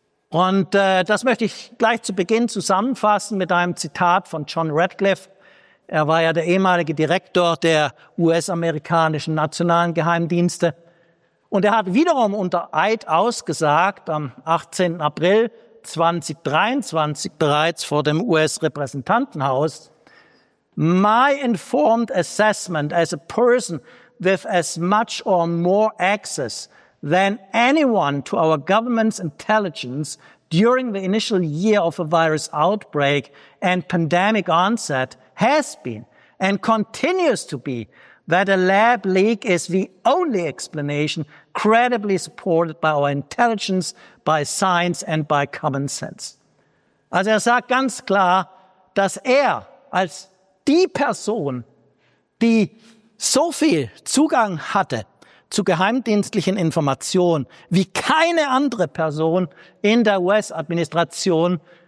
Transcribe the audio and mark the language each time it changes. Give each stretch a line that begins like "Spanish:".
German: Und das möchte ich gleich zu Beginn zusammenfassen mit einem Zitat von John Radcliffe. Er war ja der ehemalige Direktor der US-amerikanischen nationalen Geheimdienste. Und er hat wiederum unter Eid ausgesagt, am 18. April 2023 bereits vor dem US-Repräsentantenhaus,
English: My informed assessment as a person with as much or more access than anyone to our government's intelligence during the initial year of a virus outbreak and pandemic onset has been and continues to be that a lab leak is the only explanation credibly supported by our intelligence, by science and by common sense.
German: Also er sagt ganz klar, dass er als die Person, die so viel Zugang hatte zu geheimdienstlichen Informationen wie keine andere Person in der US-Administration,